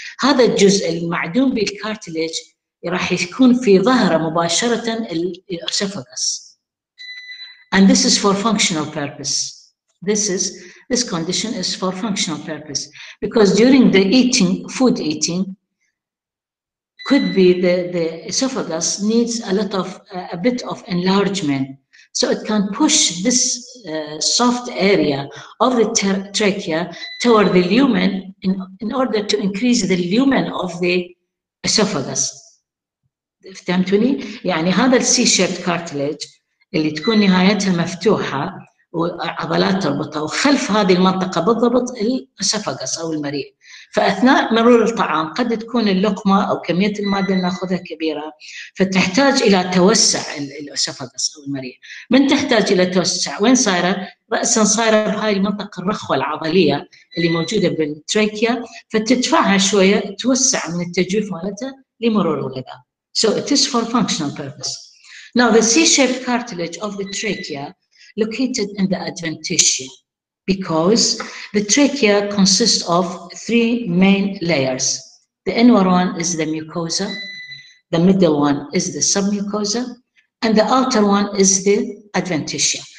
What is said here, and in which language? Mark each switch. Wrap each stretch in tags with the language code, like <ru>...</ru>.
<ar>هذا الجزء المعدوم بالكارتليج راح يكون في ظهره مباشرة الأسفاجس.</ar> <en>And this is for functional purpose. This condition is for functional purpose because during the food eating could be the esophagus needs a bit of enlargement, so it can push this soft area of the trachea toward the lumen in order to increase the lumen of the esophagus.</en> <ar>فهمتوني؟ يعني هذا ال C-shaped cartilage اللي تكون نهايتها مفتوحة وعضلات تربطها وخلف هذه المنطقة بالضبط الأسفاجس أو المريء. فأثناء مرور الطعام قد تكون اللقمة أو كمية المادة اللي نأخذها كبيرة فتحتاج إلى توسع الأسفاجس أو المريء. من تحتاج إلى توسع وين صايرة؟ رأساً صايرة بهذه المنطقة الرخوة العضلية اللي موجودة بالتراكيا فتدفعها شوية توسع من التجويف مالتها لمرور الغذاء.</ar> <en>So it is for functional purpose. Now the C-shaped cartilage of the trachea located in the adventitia, because the trachea consists of three main layers. The inner one is the mucosa, the middle one is the submucosa, and the outer one is the adventitia.</en>